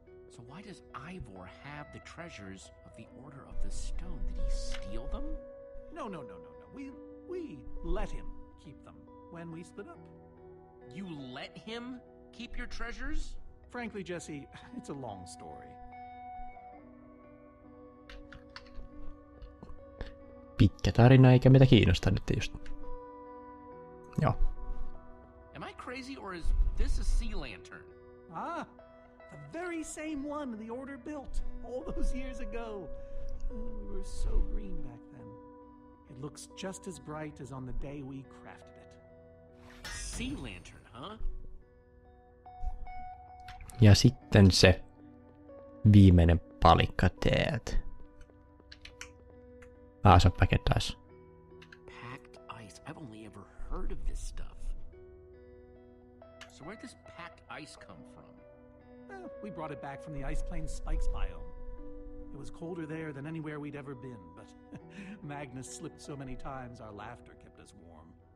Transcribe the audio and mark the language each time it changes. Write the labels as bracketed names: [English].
[English] So why does Ivor have the treasures of the Order of the Stone? Did he steal them? No. We let him keep them when we split up. You let him keep your treasures? Frankly, Jesse, it's a long story. [Finnish] Pitkä tarina, eikä mitä kiinnostaa nyt just. Joo. [English] Am I crazy or is this a sea lantern? Ah, the very same one the Order built all those years ago. We were so green back then. It looks just as bright as on the day we crafted it. Sea lantern, huh? [Finnish] Ja sitten se viimeinen palikka teet. [English] Ah, so packed ice. Packed ice? I've only ever heard of this stuff. So where'd this packed ice come from? Well, we brought it back from the ice plane spikes biome. It was colder there than anywhere we'd ever been, but Magnus slipped so many times our laughter kept us warm.